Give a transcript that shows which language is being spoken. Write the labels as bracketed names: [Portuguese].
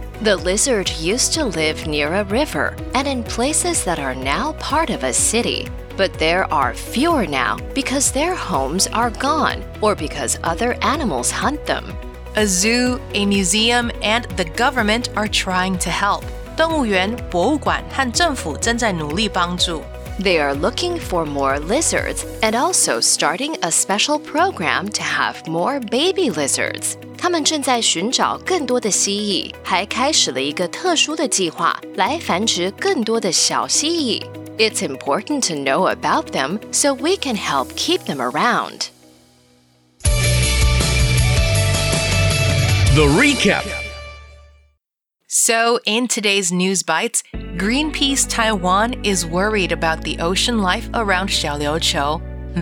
[English] The lizard used to live near a river and in places that are now part of a city. But there are fewer now because their homes are gone or because other animals hunt them. A zoo, a museum, and the government are trying to help. [Chinese] 动物园、博物馆和政府正在努力帮助。 [English] They are looking for more lizards and also starting a special program to have more baby lizards. [Chinese] 他们正在寻找更多的蜥蜴，还开始了一个特殊的计划来繁殖更多的小蜥蜴。 [English] It's important to know about them so we can help keep them around. The Recap. So, in today's News Bites, Greenpeace Taiwan is worried about the ocean life around Xiaoliuqiu.